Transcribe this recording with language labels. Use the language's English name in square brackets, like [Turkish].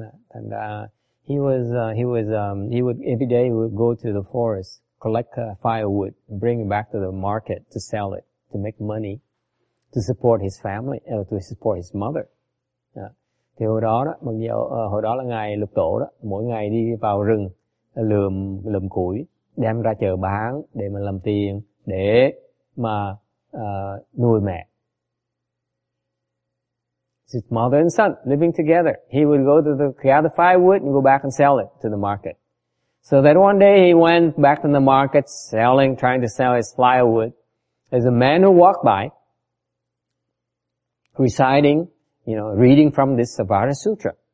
[Vietnamese] Thành ra [English] he would every day he would go to the forest, collect firewood, bring it back to the market to sell it to make money to support his family, to support his mother. [Vietnamese] Thì hồi đó đó, mặc dù hồi đó là ngài lục tổ đó, mỗi ngày đi vào rừng lượm củi đem ra chợ bán để mà làm tiền để mà nuôi mẹ. [English] His mother and son living together. He would go to gather firewood and go back and sell it to the market. So that one day he went back to the market selling, trying to sell his firewood. There's a man who walked by, reciting, you know, reading from this Vajra Sutra.